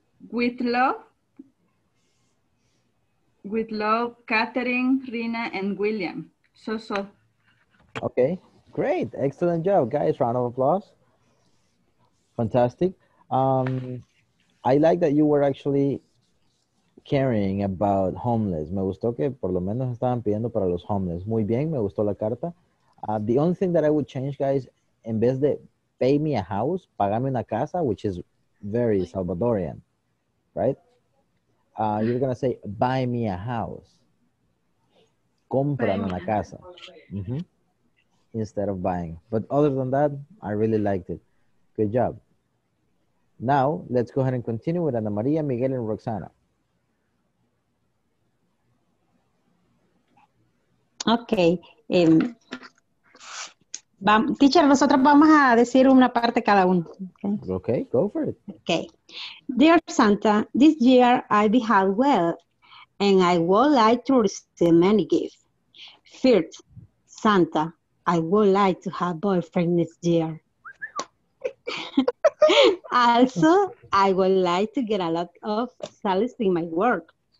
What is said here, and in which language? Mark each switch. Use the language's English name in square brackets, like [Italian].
[English] With love, Catherine, Rina, and William. So. Okay, great. Excellent job, guys. Round of applause. Fantastic. I like that you were actually caring about homeless. [Spanish] Me gustó que por lo menos estaban pidiendo para los homeless. Muy bien, me gustó la carta. [English] The only thing that I would change, guys, [Spanish] en vez de [English] pay me a house, [Spanish] pagame una casa, [English] which is very Salvadorian, right? You're going to say, buy me a house. [Spanish] Comprame una casa. [English] Mm-hmm. Instead of buying. But other than that, I really liked it. Good job. Now, let's go ahead and continue with Ana Maria, Miguel, and Roxana. Okay. [Spanish] Teacher, nosotros vamos a decir una parte cada uno. [English] Okay? Okay, go for it. Okay. Dear Santa, this year I behave well, and I would like to receive many gifts. First, Santa, I would like to have a boyfriend this year. Also, I would like to get a lot of salaries in my work.